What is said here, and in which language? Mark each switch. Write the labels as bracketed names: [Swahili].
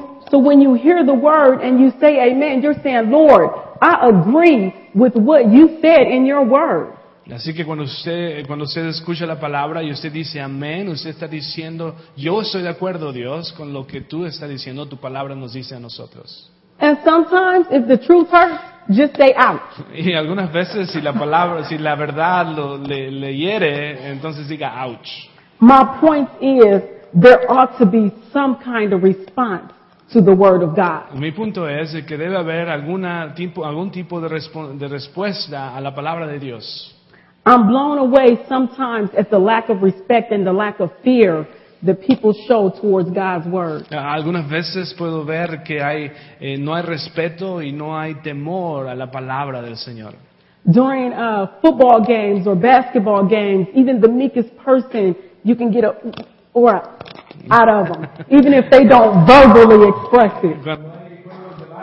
[English] So when you hear the word and you say amen, you're saying, Lord, I agree with what you said in your word. [Spanish] Así que cuando usted escucha la palabra y usted dice amén, usted está diciendo, yo estoy de acuerdo, Dios, con lo que tú estás diciendo, tu palabra nos dice a nosotros. [English] And sometimes if the truth hurts, just stay out. [Spanish] Y algunas veces si la palabra, si la verdad le hiere, entonces diga ouch. [English] My point is there ought to be some kind of response to the word of God. [Spanish] Mi punto es que debe haber algún tipo de respuesta a la palabra de Dios. [English] I'm blown away sometimes at the lack of respect and the lack of fear that people show towards God's word. [Spanish] Algunas veces puedo ver que no hay respeto y no hay temor a la palabra del Señor. [English] During football games or basketball games, even the meekest person, you can get a aura out of them, even if they don't verbally express it.